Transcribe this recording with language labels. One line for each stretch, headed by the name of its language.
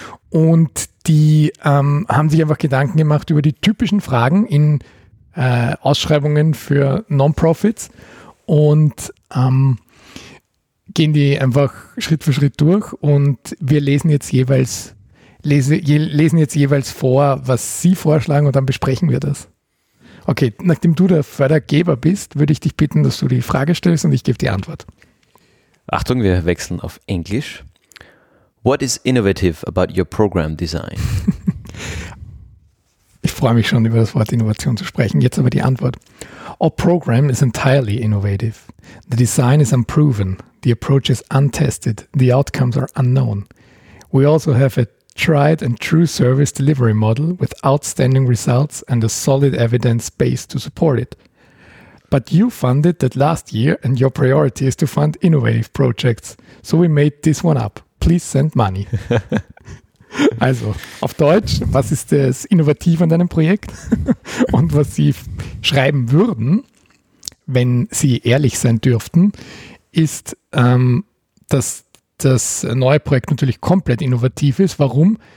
German: Und die haben sich einfach Gedanken gemacht über die typischen Fragen in Ausschreibungen für Non-Profits und gehen die einfach Schritt für Schritt durch und wir lesen jetzt jeweils vor, was Sie vorschlagen und dann besprechen wir das. Okay, nachdem du der Fördergeber bist, würde ich dich bitten, dass du die Frage stellst und ich gebe die Antwort. Achtung, wir wechseln auf Englisch.
English: What is innovative about your program design?
German: Ich freue mich schon, über das Wort Innovation zu sprechen. Jetzt aber die Antwort.
English: Our program is entirely innovative. The design is unproven. The approach is untested. The outcomes are unknown. We also have a tried and true service delivery model with outstanding results and a solid evidence base to support it. But you funded that last year and your priority is to fund innovative projects. So we made this one up. Please send money.
German: Also, auf Deutsch, was ist das Innovative an deinem Projekt und was sie schreiben würden, wenn sie ehrlich sein dürften, ist, dass das neue Projekt natürlich komplett innovativ ist. Warum?